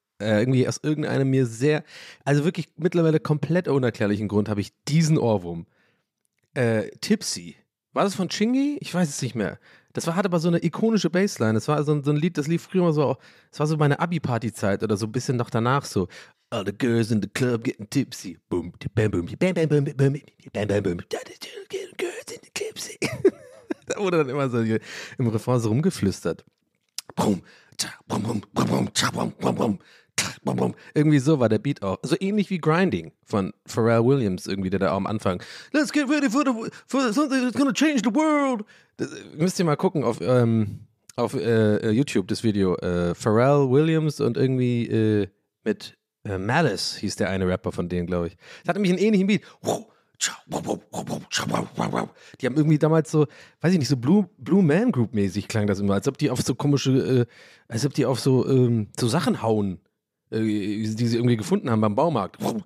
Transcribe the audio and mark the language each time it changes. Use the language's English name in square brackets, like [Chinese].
[German] Irgendwie aus irgendeinem mir sehr, also wirklich mittlerweile komplett unerklärlichen Grund habe ich diesen Ohrwurm. Tipsy. War das von Chingy? Ich weiß es nicht mehr. Das hat aber so eine ikonische Bassline. Das war so ein Lied, das lief früher mal so, das war so meine Abi-Party-Zeit oder so ein bisschen noch danach so. [English] All the girls in the club getting tipsy. Boom, bam, boom, bam, bam, boom, boom, bam, bam, boom. All the girls getting in the tipsy. [German] Da wurde dann immer so im Refrain so rumgeflüstert. Boom, tja, boom, boom, boom, boom, tja, boom, boom, boom, tja, boom, boom. Irgendwie so war der Beat auch. So ähnlich wie Grinding von Pharrell Williams irgendwie, der da auch am Anfang. [English] Let's get ready for something that's gonna change the world. [German] Das, müsst ihr mal gucken auf YouTube, das Video. Pharrell Williams und irgendwie mit... Malice hieß der eine Rapper von denen, glaube ich. Das hat nämlich einen ähnlichen Beat. Die haben irgendwie damals so, weiß ich nicht, so Blue Man Group-mäßig klang das immer, als ob die auf so komische, als ob die auf so Sachen hauen, die sie irgendwie gefunden haben beim Baumarkt.